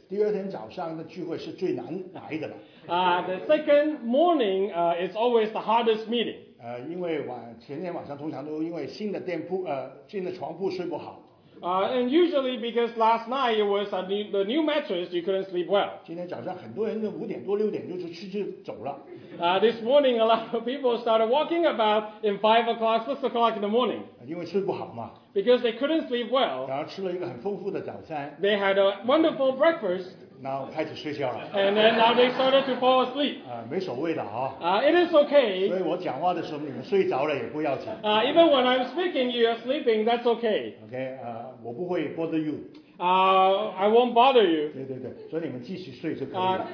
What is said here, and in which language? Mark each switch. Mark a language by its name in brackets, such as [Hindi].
[Chinese] 第二天早上的聚会是最难来的。 [English] The second morning is always the hardest meeting. [Chinese] 因为前天晚上通常都因为新的店铺新的床铺睡不好。 [English] And usually because last night it was the new mattress, you couldn't sleep well. [Chinese] 今天早上很多人都五点多六点就走了。 [English] This morning, a lot of people started walking about in 5 o'clock, 6 o'clock in the morning. [Chinese] 因为吃不好嘛。 [English] Because they couldn't sleep well. [Chinese] 然后吃了一个很丰富的早餐。 [English] They had a wonderful breakfast. [Chinese] 然后开始睡觉了。 [English] And then now they started to fall asleep. [Chinese] 没所谓的啊。 [English] It is okay. [Chinese] 所以我讲话的时候你们睡着了也不要紧。 [English] Even when I'm speaking, you are sleeping, that's okay. Okay, [Chinese] 我不会 [English] bother you. I won't bother you. [Chinese] 对对对，所以你们继续睡就可以了。